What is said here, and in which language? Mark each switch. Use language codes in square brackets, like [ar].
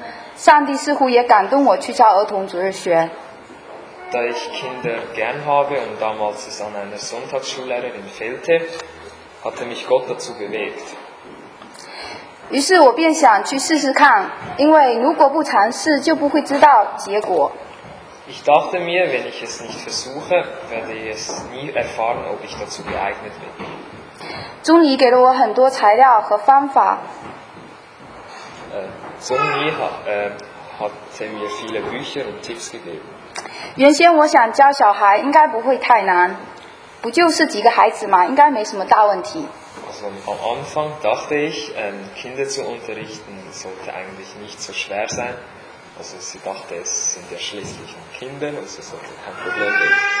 [zh] 因为我很喜欢小孩，而且当时儿童主日学也很缺童工，上帝似乎也感动我去教儿童主日学。 [de] Da ich Kinder gern habe und damals es an einer Sonntagsschullehrerin fehlte, hatte mich Gott dazu bewegt. [zh] 于是我便想去试试看，因为如果不尝试，就不会知道结果。 [de] Ich dachte mir, wenn ich es nicht versuche, werde ich es nie erfahren, ob ich dazu geeignet bin. [zh] 钟离给了我很多材料和方法。 [de] 钟离hatte mir viele Bücher und Tipps gegeben. [zh] 原先我想教小孩应该不会太难。不就是几个孩子嘛，应该没什么大问题。 [de] Also, am Anfang dachte ich, Kinder zu unterrichten sollte eigentlich nicht so schwer sein. Also sie dachte, es sind ja schließlich Kinder, also sollte kein Problem sein.